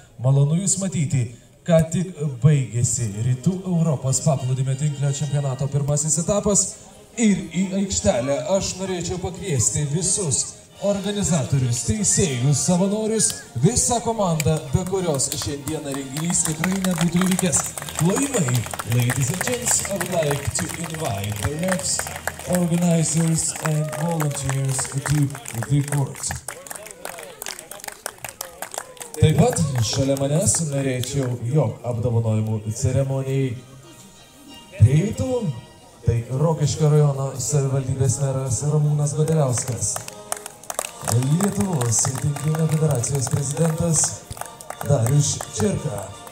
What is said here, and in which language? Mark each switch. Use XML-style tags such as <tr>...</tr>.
<lt>Malonu Jūs matyti, ką tik baigėsi Rytų Europos paplūdimio tinklinio čempionato pirmasis etapas. Ir į aikštelę aš norėčiau pakviesti visus organizatorius, teisėjus, savanorius, visą komandą, be kurios šiandieną renginys tikrai nebūtų įvykęs.</lt> <en>Laimai, ladies and gents, I would like to invite the refs, organizers and volunteers to the court.</en> <lt>Taip pat, šalia manęs norėčiau, jog apdovanojimų ceremonijai prieitų, tai Rokiškio rajono savivaldybės meras Ramūnas Godeliauskas. Lietuvos tinklinio federacijos prezidentas Darius Čerka.</lt>